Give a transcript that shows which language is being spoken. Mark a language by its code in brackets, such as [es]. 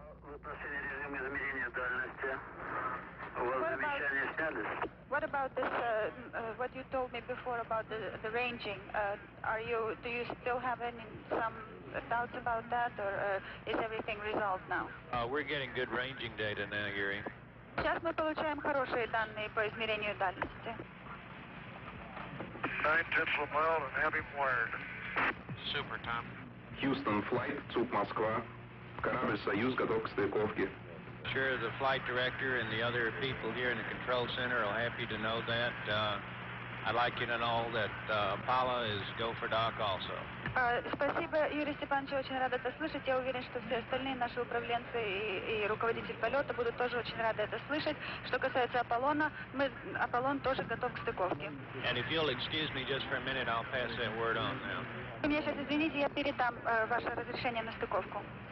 [ru] Запросили режим измерения дальности. У вас [en] what [ru] замечания [en] about, [ru] сняли? [en] What about this, what you told me before about the ranging? Do you still have some doubts about that, or is everything resolved now? We're getting good ranging data now, Yuri. [ru] Сейчас мы получаем хорошие данные по измерению дальности. [en] 9 tenths of a mile and heavy wired. Super, Tom. Houston flight, [ru] ЦУП Москва. Корабль «Союз» готов к стыковке. [en] Sure, the flight director and the other people here in the control center are happy to know that. I'd like you to know that Apollo is go for dock also. [ru] Спасибо, Юрий Степанович, очень рада это слышать. Я уверен, что все остальные наши управленцы и руководитель полета будут тоже очень рады это слышать. Что касается Аполлона, Аполлон тоже готов к стыковке. [en] And if you'll excuse me just for a minute, I'll pass that word on now. [ru] Вы меня сейчас извините, я передам ваше разрешение на стыковку.